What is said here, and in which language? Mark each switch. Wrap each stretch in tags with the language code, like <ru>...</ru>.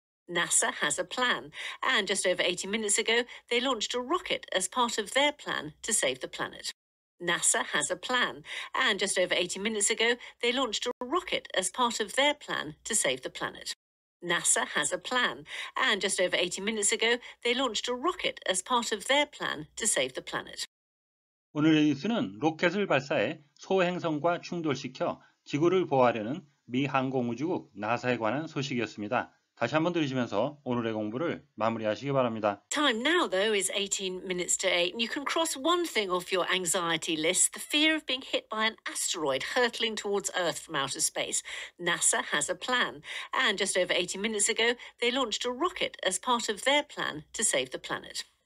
<en>NASA has a plan, and just over 80 minutes ago, they launched a rocket as part of their plan to save the planet. NASA has a plan, and just over 80 minutes ago, they launched a rocket as part of their plan to save the planet. NASA has a plan, and just over 80 minutes ago, they launched a rocket as part of their plan to save the planet.</en> <ko>오늘의 뉴스는 로켓을 발사해 소행성과 충돌시켜 지구를 보호하려는 미 항공우주국 나사에 관한 소식이었습니다. 다시 한번 들으시면서 오늘의 공부를 마무리하시기 바랍니다.</ko> <en>Time now though is 18 minutes to 8. You can cross one thing off your anxiety list, the fear of being hit by an asteroid hurtling towards Earth from outer space. NASA has a plan. And just over 80 minutes ago, they launched a rocket as part of their plan to save the planet.</en>